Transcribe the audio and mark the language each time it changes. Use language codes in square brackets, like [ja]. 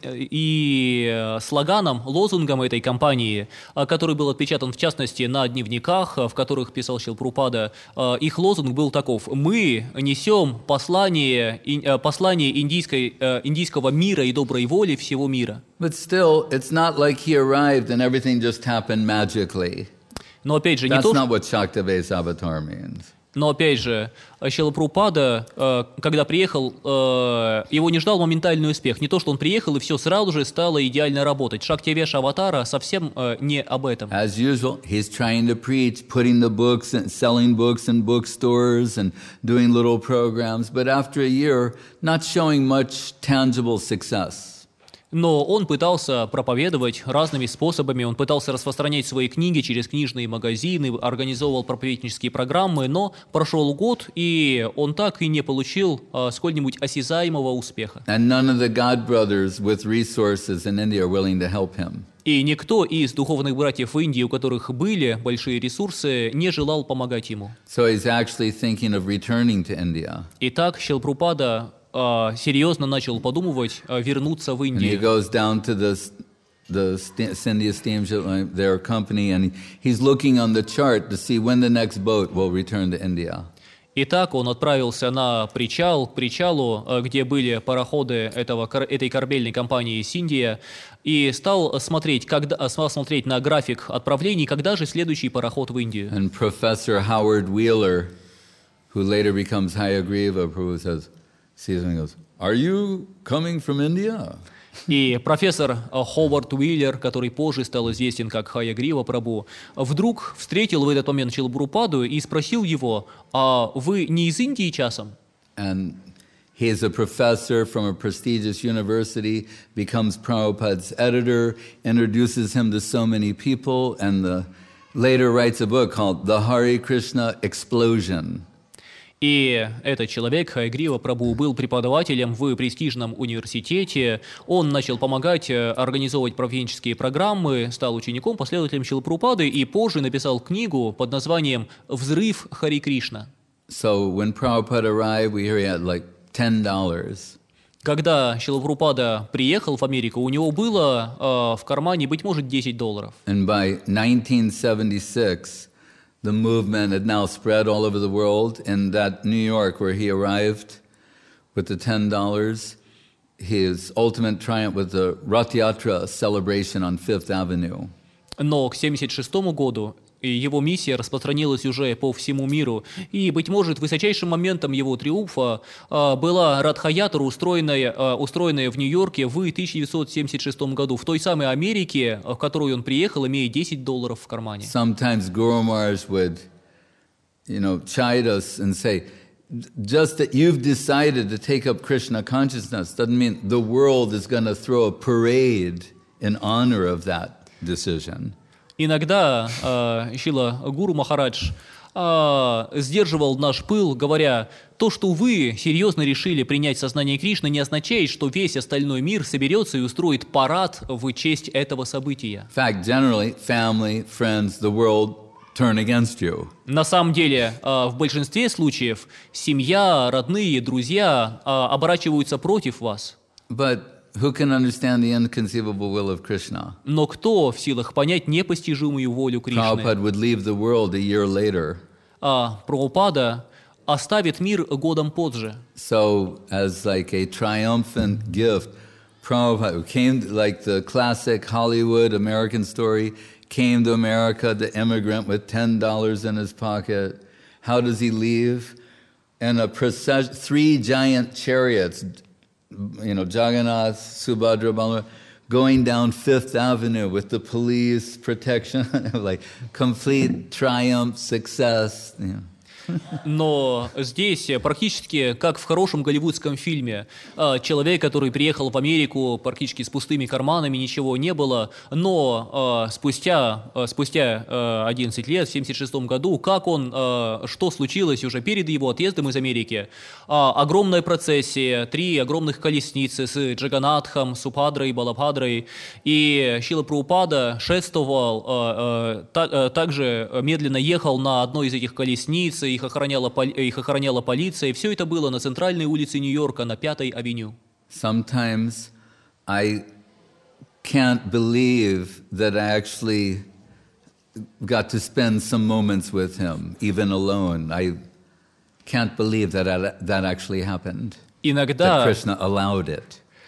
[ru] И слоганом, лозунгом этой компании, который был отпечатан в частности на дневниках, в которых писал Шрила Прабхупада, их лозунг был таков: мы несем послание индийского мира и доброй воли всего мира. [en] But still, it's not like he arrived and everything just happened magically. [ru] Но опять же, [en] that's not what Shaktaveya's avatar means. [ru] Но опять же, Шрила Прабхупада, когда приехал, его не ждал моментальный успех. Не то, что он приехал, и все сразу же стало идеально работать. Шактивеша аватара совсем не об этом. [en] As usual, he's trying to preach, putting the books, and selling books in bookstores, and doing little programs, but after a year, not showing much tangible success. [ru] Но он пытался проповедовать разными способами, он пытался распространять свои книги через книжные магазины, организовывал проповеднические программы, но прошел год, и он так и не получил сколь-нибудь осязаемого успеха. [en] And none of the God brothers with resources in India are willing to help him. [ru] И никто из духовных братьев в Индии, у которых были большие ресурсы, не желал помогать ему. [en] So he's actually thinking of returning to India. [ru] Итак, Шрила Прабхупада серьезно начал подумывать вернуться в Индию. [en] And he goes down to the Sindhya steamship, their company, and he's looking on the chart to see when the next boat will return to India. [ru] Итак, он отправился на причал, к причалу, где были пароходы этой корабельной компании Синдия, и стал смотреть на график отправлений, когда же следующий пароход в Индию. [en] And Professor Howard Wheeler, who later becomes Hayagriva Prabhu, says, sees him and goes, are you coming from India? [ru] И профессор Ховард Уиллер, который позже стал известен как Хаягрива Прабу, вдруг встретил в этот момент Шрилу Прабхупаду и спросил его, а вы не из Индии часом? [en] And he is a professor from a prestigious university, becomes Prabhupada's editor, introduces him to so many people, and later writes a book called The Hare Krishna Explosion. [ru] И этот человек, Хайгрива Прабху, был преподавателем в престижном университете. Он начал помогать организовывать правленческие программы, стал учеником, последователем Шрилы Прабхупады и позже написал книгу под названием «Взрыв Хари Кришна». [en] So when Prabhupada arrived, we heard he had like $10. [ru] Когда Шрила Прабхупада приехал в Америку, у него было в кармане, быть может, $10. [en] And by 1976, the movement had now spread all over the world, and that New York, where he arrived with the $10, his ultimate triumph was the Rath Yatra celebration on Fifth Avenue. [ru] Но к 76-му году его миссия распространилась уже по всему миру, и, быть может, высочайшим моментом его триумфа была Радха-Ятра, устроенная в Нью-Йорке в 1976 году, в той самой Америке, в которую он приехал, имея $10 в кармане. [en] Sometimes Guru Maharaj would, you know, chide us and say, just that you've decided to take up Krishna consciousness doesn't mean the world is going to throw a parade in honor of that decision. [ru] Иногда Шрила Гуру Махарадж сдерживал наш пыл, говоря, то, что вы серьезно решили принять сознание Кришны, не означает, что весь остальной мир соберется и устроит парад в честь этого события. [en] Fact, generally, family, friends, the world turn against you. [ru] На самом деле, в большинстве случаев, семья, родные, друзья оборачиваются против вас. [en] But who can understand the inconceivable will of Krishna? [ru] Но кто в силах понять непостижимую волю Кришны? [en] Prabhupada would leave the world a year later. [ru] Прабхупада оставит мир годом позже. [en] So, as like a triumphant gift, Prabhupada came, like the classic Hollywood American story, came to America, the immigrant with $10 in his pocket. How does he leave? In a procession, three giant chariots, you know, Jagannath, Subhadra, Balaram, going down Fifth Avenue with the police protection, like complete triumph, success. You know. [ru] Но здесь практически, как в хорошем голливудском фильме, человек, который приехал в Америку практически с пустыми карманами, ничего не было, но спустя 11 лет, в 76-м году, как он, что случилось уже перед его отъездом из Америки? Огромная процессия, три огромных колесницы с Джаганатхом, Субхадрой, Балабхадрой, и Шрила Прабхупада шествовал, также медленно ехал на одной из этих колесниц, их охраняла полиция, и все это было на центральной улице Нью-Йорка, на 5-й авеню. [en] Sometimes I can't believe that I actually got to spend some moments with him, even alone. I can't believe that that actually happened, [ru] иногда, [en] that Krishna allowed it.